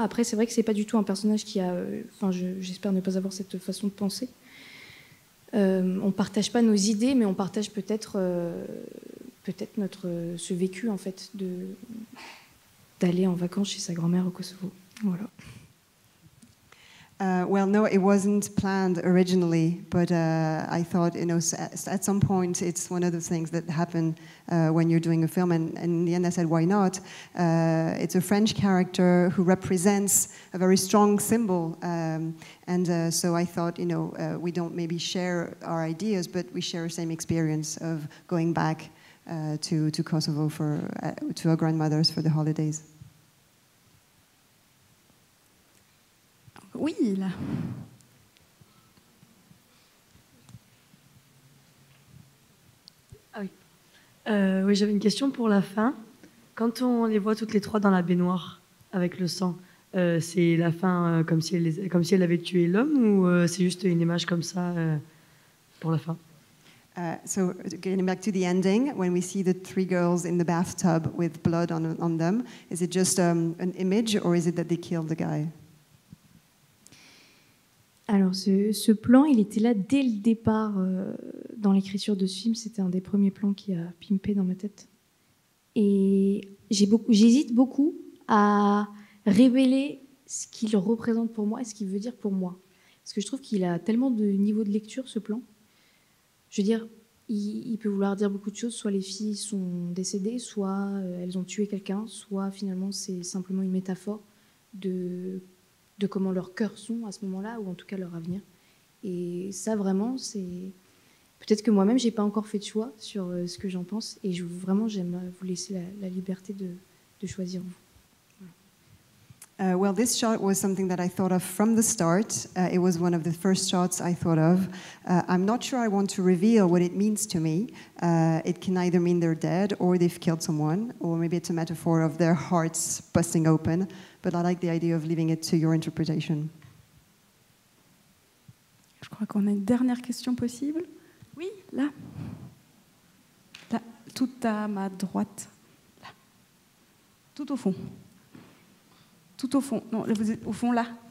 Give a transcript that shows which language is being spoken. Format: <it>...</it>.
<fr>Après, c'est vrai que c'est pas du tout un personnage qui a, enfin, j'espère ne pas avoir cette façon de penser. On partage pas nos idées, mais on partage peut-être, peut-être notre ce vécu en fait de d'aller en vacances chez sa grand-mère au Kosovo. Voilà.</fr> <en>Well, no, it wasn't planned originally, but I thought, you know, at some point it's one of the things that happen when you're doing a film. And in the end, I said, why not? It's a French character who represents a very strong symbol. So I thought, you know, we don't maybe share our ideas, but we share the same experience of going back to Kosovo for to our grandmothers for the holidays.</en> <fr>Oui, là. Ah oui. Oui, j'avais une question pour la fin. Quand on les voit toutes les trois dans la baignoire avec le sang, c'est la fin comme si elle avait tué l'homme ou c'est juste une image comme ça pour la fin?</fr> <en>So getting back to the ending, when we see the three girls in the bathtub with blood on them, is it just an image or is it that they killed the guy?</en> <fr>Alors, ce plan, il était là dès le départ dans l'écriture de ce film. C'était un des premiers plans qui a pimpé dans ma tête. Et j'hésite beaucoup à révéler ce qu'il représente pour moi et ce qu'il veut dire pour moi. Parce que je trouve qu'il a tellement de niveaux de lecture, ce plan. Je veux dire, il peut vouloir dire beaucoup de choses. Soit les filles sont décédées, soit elles ont tué quelqu'un, soit finalement c'est simplement une métaphore de comment leurs cœurs sont à ce moment-là, ou en tout cas leur avenir. Et ça, vraiment, c'est... Peut-être que moi-même, je n'ai pas encore fait de choix sur ce que j'en pense, et j'aime vous laisser la liberté de choisir vous.</fr> <en>Well, this shot was something that I thought of from the start. It was one of the first shots I thought of. I'm not sure I want to reveal what it means to me. It can either mean they're dead or they've killed someone, or maybe it's a metaphor of their hearts busting open. But I like the idea of leaving it to your interpretation.</en> <fr>Je crois qu'on a une dernière question possible. Oui, là. Là, tout à ma droite. Là. Tout au fond. Tout au fond. Non, vous êtes au fond, là.</fr>